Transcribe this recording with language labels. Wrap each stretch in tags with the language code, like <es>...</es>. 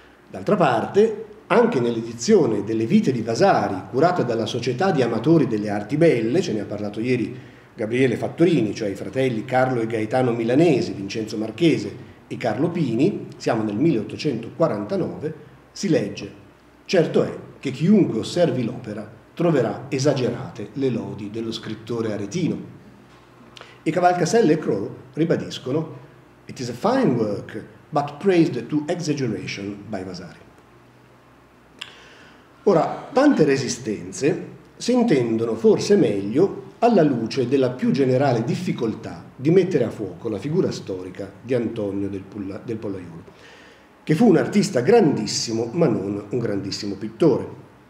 <it>D'altra parte, anche nell'edizione delle Vite di Vasari, curata dalla Società di Amatori delle Arti Belle, ce ne ha parlato ieri Gabriele Fattorini, cioè i fratelli Carlo e Gaetano Milanese, Vincenzo Marchese e Carlo Pini, siamo nel 1849, si legge: certo è che chiunque osservi l'opera troverà esagerate le lodi dello scrittore aretino. E Cavalcaselle e Crowe ribadiscono:</it> <en>it is a fine work, but praised to exaggeration by Vasari.</en> <it>Ora, tante resistenze si intendono forse meglio alla luce della più generale difficoltà di mettere a fuoco la figura storica di Antonio del Pollaiuolo, che fu un artista grandissimo ma non un grandissimo pittore.</it>